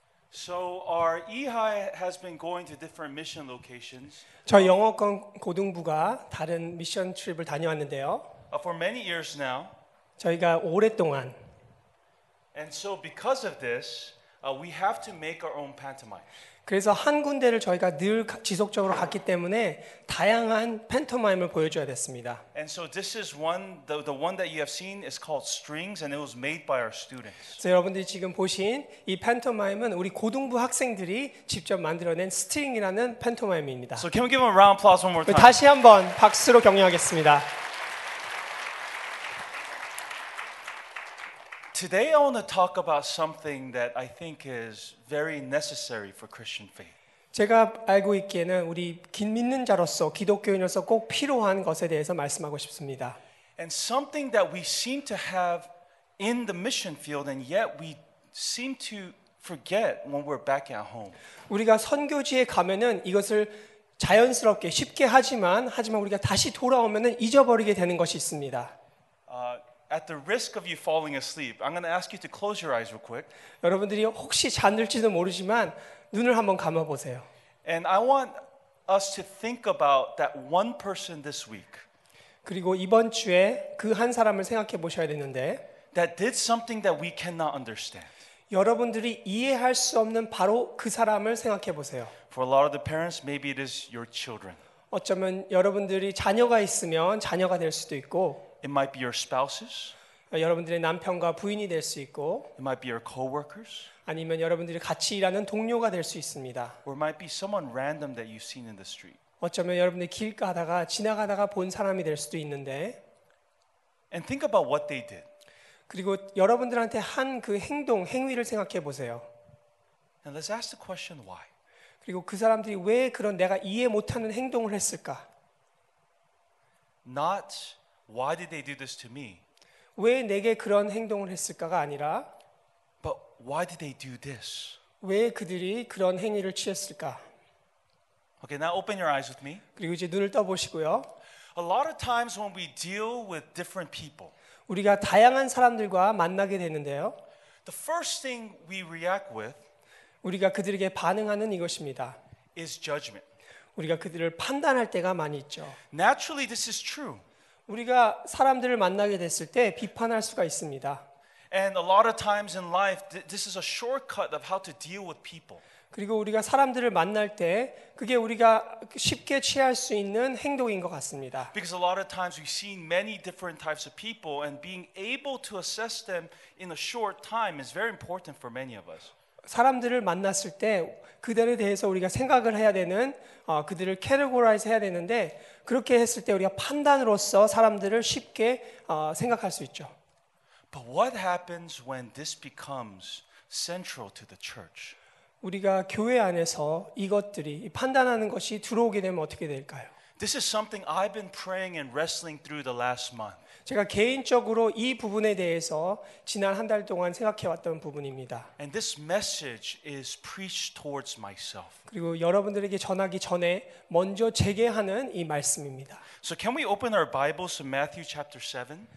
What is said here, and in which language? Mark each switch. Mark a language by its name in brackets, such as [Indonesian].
[English] So our EHI has been going to different mission locations. [Korean] 저희 영어권 고등부가 다른 미션 트립을 다녀왔는데요. [English] For many years now. [Korean] 저희가 오랫동안. [English] And so because of this, we have to make our own pantomime. [Korean] 그래서 한 군데를 저희가 늘 지속적으로 갔기 때문에 다양한 팬토마임을 보여줘야 됐습니다. [English] And so this is one, the one that you have seen is called Strings, and it was made by our students. [Korean] 그래서 여러분들이 지금 보신 이 팬토마임은 우리 고등부 학생들이 직접 만들어낸 스트링이라는 팬토마임입니다. [English] So can we give them a round applause one more time? [Korean] 다시 한번 박수로 격려하겠습니다. [English] Today I want to talk about something that I think is very necessary for Christian faith. [Korean] 제가 알고 있기에는 우리 믿는 자로서 기독교인으로서 꼭 필요한 것에 대해서 말씀하고 싶습니다. [English] And something that we seem to have in the mission field and yet we seem to forget when we're back at home. [Korean] 우리가 선교지에 가면은 이것을 자연스럽게 쉽게 하지만 우리가 다시 돌아오면은 잊어버리게 되는 것이 있습니다. [English] At the risk of you falling asleep, I'm going to ask you to close your eyes real quick. [Korean] 여러분들이 혹시 잠들지도 모르지만 눈을 한번 감아 보세요. [English] And I want us to think about that one person this week. [Korean] 그리고 이번 주에 그 한 사람을 생각해 보셔야 되는데 [English] that did something that we cannot understand. [Korean] 여러분들이 이해할 수 없는 바로 그 사람을 생각해 보세요. [English] For a lot of the parents, maybe it is your children. [Korean] 어쩌면 여러분들이 자녀가 있으면 자녀가 될 수도 있고 [English] It might be your spouses. [Korean] 여러분들의 남편과 부인이 될 수 있고. [English] It might be your co-workers. [Korean] 아니면 여러분들이 같이 일하는 동료가 될 수 있습니다. [English] Or it might be someone random that you've seen in the street. [Korean] 어쩌면 여러분들이 길가다가 지나가다가 본 사람이 될 수도 있는데. [English] And think about what they did. [Korean] 그리고 여러분들한테 한 그 행동, 행위를 생각해 보세요. [English] And let's ask the question why. [Korean] 그리고 그 사람들이 왜 그런 내가 이해 못하는 행동을 했을까? [English] Not Why did they do this to me? [Korean] 왜 내게 그런 행동을 했을까가 아니라 [English] But why did they do this? [Korean] 왜 그들이 그런 행위를 취했을까? [English] Okay, now open your eyes with me. [Korean] 그리고 이제 눈을 떠 보시고요. [English] A lot of times when we deal with different people. [Korean] 우리가 다양한 사람들과 만나게 되는데요. [English] The first thing we react with [Korean] 우리가 그들에게 반응하는 이것입니다. [English] is judgment. [Korean] 우리가 그들을 판단할 때가 많이 있죠. [English] Naturally this is true. [Korean] 우리가 사람들을 만나게 됐을 때 비판할 수가 있습니다. [English] And a lot of times in life this is a shortcut of how to deal with people. [Korean] 그리고 우리가 사람들을 만날 때 그게 우리가 쉽게 취할 수 있는 행동인 것 같습니다. [English] Because a lot of times we've seen many different types of people and being able to assess them in a short time is very important for many of us. [Korean] 사람들을 만났을 때 그들에 대해서 우리가 생각을 해야 되는 그들을 categorize 해야 되는데 그렇게 했을 때 우리가 판단으로서 사람들을 쉽게 생각할 수 있죠. [English] But what happens when this becomes central to the church? [Korean] 우리가 교회 안에서 이것들이 판단하는 것이 들어오게 되면 어떻게 될까요? [English] This is something I've been praying and wrestling through the last month. [Korean] 제가 개인적으로 이 부분에 대해서 지난 한 달 동안 생각해 왔던 부분입니다. [English] And this message is preached towards myself. [Korean] 그리고 여러분들에게 전하기 전에 먼저 제게 하는 이 말씀입니다. [English] So can we open our Bibles to Matthew chapter 7?